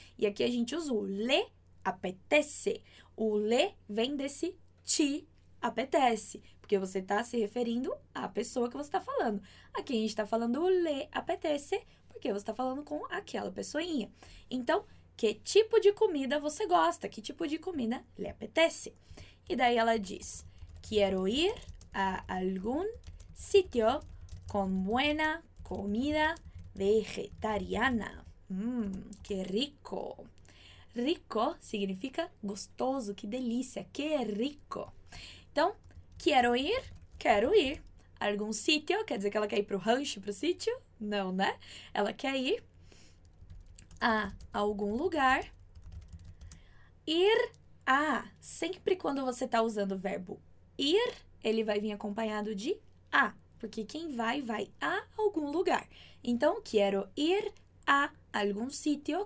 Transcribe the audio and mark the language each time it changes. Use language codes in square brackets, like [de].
[pt] E aqui a gente usa o le apetece. O le vem desse te apetece, porque você está se referindo à pessoa que você está falando. Aqui a gente está falando o le apetece, porque você está falando com aquela pessoinha. Então, que tipo de comida você gosta? Que tipo de comida lhe apetece? E daí ela diz: [es] Quiero ir a algún sitio con buena comida vegetariana. Qué rico. [pt] Rico significa gostoso, que delícia, que rico. Então, [es] quiero ir, [pt] quero ir [es] a algún sitio. [pt] Quer dizer que ela quer ir pro rancho, pro sítio? Não, né? Ela quer ir a algum lugar. Ir a. Sempre quando você está usando o verbo ir, ele vai vir acompanhado de a. Porque quem vai, vai a algum lugar. Então, quero ir a algum sítio.